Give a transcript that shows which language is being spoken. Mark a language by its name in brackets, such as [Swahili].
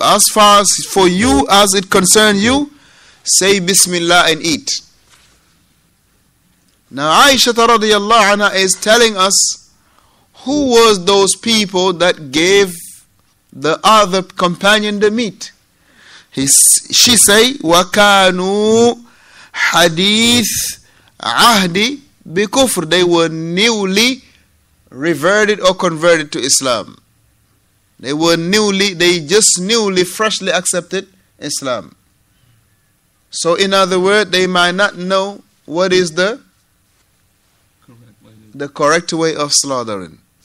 [English] As far as for you, as it concerns you, say Bismillah and eat. Now Aisha radiallahu anha is telling us who was those people that gave the other companion the meat. She say, [Arabic] وَكَانُوا حَدِيثْ عَهْدِ بِكُفْرِ. [English] They were newly reverted or converted to Islam. They just newly, freshly accepted Islam. So in other words, they might not know what is the correct way of slaughtering.